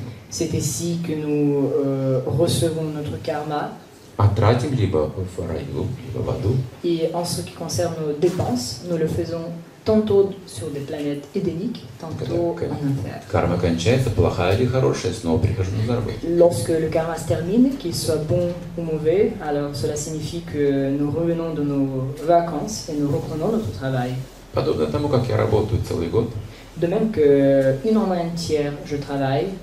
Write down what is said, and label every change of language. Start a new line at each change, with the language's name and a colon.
French: C'est ici que nous recevons notre karma.
Russian: А тратим либо в раю, либо в аду.
French: И en ce qui concerne nos dépenses, nous le faisons tantôt sur des planètes édéniques, tantôt en enfer.
Russian: Карма кончается, плохая или хорошая, снова прихожу на заработку.
French: Lorsque le karma se termine, qu'il soit bon ou mauvais, alors cela signifie que nous revenons de nos vacances et nous reprenons notre travail.
Russian: Подобно тому, как я работаю целый год.
French: De même que une année entière, je travaille.